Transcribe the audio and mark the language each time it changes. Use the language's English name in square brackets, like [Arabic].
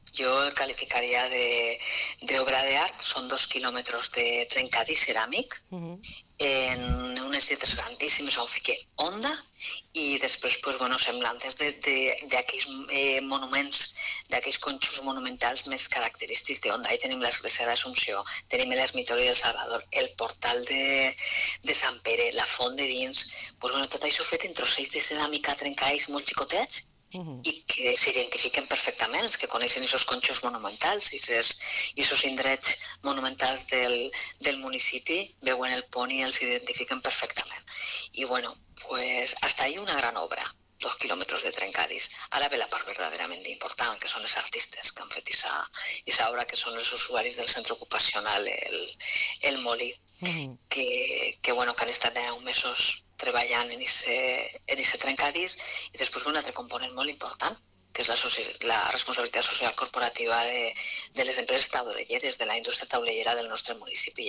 [Spanish] Yo calificaría de obra de arte. [Catalan] Son 2 kilómetros de trencadís ceràmic, en unes lletres grandíssimes on fiqué Onda i després, pues, bueno, semblances d'aquells monuments, d'aquells conjunts monumentals més característics d'Onda. Ahí tenim l'església de l'Assumpció, tenim l'ermitori del Salvador, el portal de Sant Pere, la font de dins, pues, bueno, tot això fet en trossells de ceràmica trencadís molt xicotets, i que s'identifiquen perfectament, que coneixen aquests conjunts monumentals i aquests indrets monumentals del municipi, veuen el pont i els identifiquen perfectament. I bueno, [Spanish] pues hasta ahí una gran obra, [Catalan] 2 quilòmetres de trencadís. Ara ve la part verdaderament important, que són els artistes que han fet aquesta obra, que són els usuaris del centre ocupacional el Molí, que bueno, que han estat 10 mesos treballant en ese trencadís. I després un altre component molt important, que és la responsabilitat social corporativa de les empreses taulelleres, de la indústria taulellera del nostre municipi.